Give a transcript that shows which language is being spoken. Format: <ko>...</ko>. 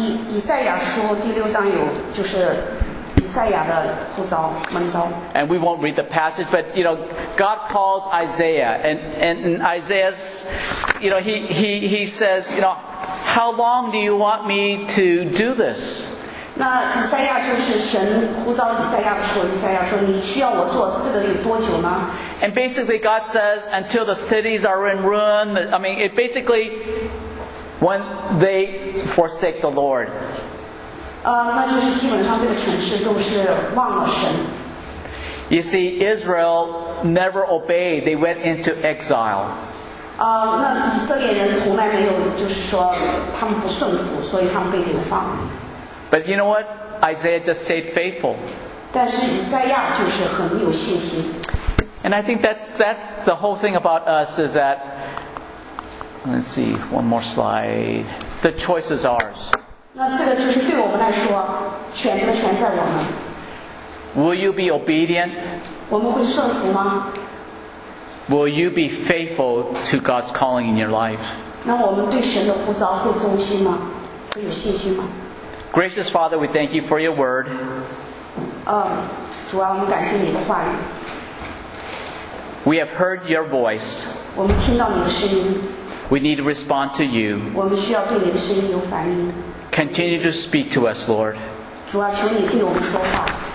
<zh>以赛亚书第六章有，就是</zh> <en>And we won't read the passage, but you know, God calls Isaiah, and Isaiah's, you know, he says, you know, how long do you want me to do this?</en> <zh>那以赛亚就是神呼召以赛亚的时候，以赛亚说：“你需要我做这个有多久呢？”</zh> <en>And basically, God says, "Until the cities are in ruin." I mean, it basically, when they forsake the Lord.</en> <zh>那就是基本上这个城市都是忘了神。</zh> <en>You see, Israel never obeyed. They went into exile.</en> <zh>那以色列人从来没有就是说他们不顺服，所以他们被流放。</zh> <en>But you know what? Isaiah just stayed faithful.</en> <zh>但是以赛亚就是很有信心。</zh> <en>And I think that's the whole thing about us is that, let's see, one more slide. The choice is ours.</en> <zh>那这个就是对我们来说，选择权在我们。</zh> <en>Will you be obedient?</en> <zh>我们会顺服吗？</zh> <en>Will you be faithful to God's calling in your life?</en> <zh>那我们对神的呼召会忠心吗？会有信心吗？</zh> <en>Gracious Father, we thank you for your word.</en> <zh>主啊，我们感谢你的话语。</zh> <en>We have heard your voice.</en> <zh>我们听到你的声音。</zh> <en>We need to respond to you.</en> <zh>我们需要对你的声音有反应。</zh> <en>Continue to speak to us, Lord.</en> <zh>主啊，求你对我们说话。</zh>